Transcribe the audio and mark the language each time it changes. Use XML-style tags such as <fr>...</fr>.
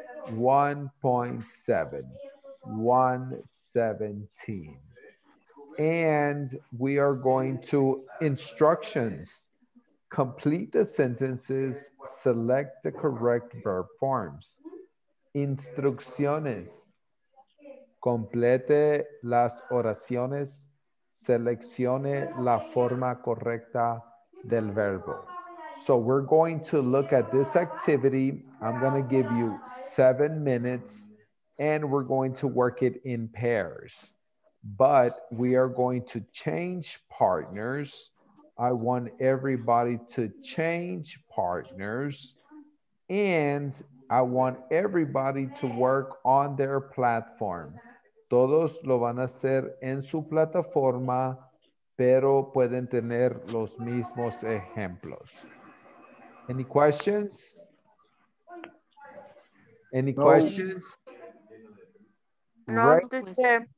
<en>1.7. 117. And we are going to instructions. Complete the sentences, select the correct verb forms.</en> <es>Instrucciones. Complete las oraciones, seleccione la forma correcta del verbo.</es> <en>So we're going to look at this activity. I'm going to give you 7 minutes and we're going to work it in pairs. But we are going to change partners. I want everybody to change partners. And I want everybody to work on their platform.</en> <es>Todos lo van a hacer en su plataforma, pero pueden tener los mismos ejemplos.</es> <en>Any questions? Any questions? No, right, teacher.</en>